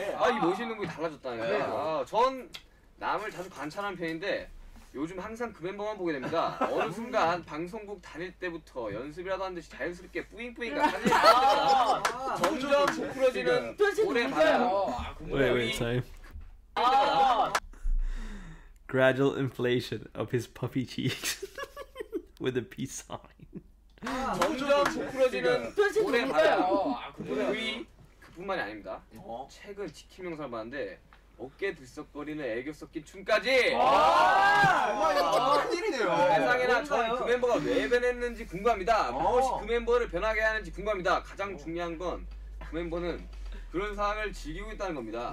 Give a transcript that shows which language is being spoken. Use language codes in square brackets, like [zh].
[ko] 아, 이 멋있는 분이 달라졌다니. 아, 전 남을 자주 관찰하는 편인데 요즘 항상 그 멤버만 보게 됩니다. 어느 순간 방송국 다닐 때부터 연습이라도 한 듯이 자연스럽게 뿌잉뿌잉과 사진을 찍었다가 점점 부풀어지는 올해 바람. [en] Wait, wait, time. Gradual inflation of his puffy cheeks with a peace sign. [ko] 점점 부풀어지는 올해 바람. 그뿐만이 아닙니다. 최근 지킴 영상을 봤는데 어깨 들썩거리는 애교 섞인 춤까지! 와! 정말 큰일이네요! 세상에나 저는 그 멤버가 왜 변했는지 궁금합니다. 무엇이 그 멤버를 변하게 하는지 궁금합니다. 가장 중요한 건 그 멤버는 그런 상황을 즐기고 있다는 겁니다.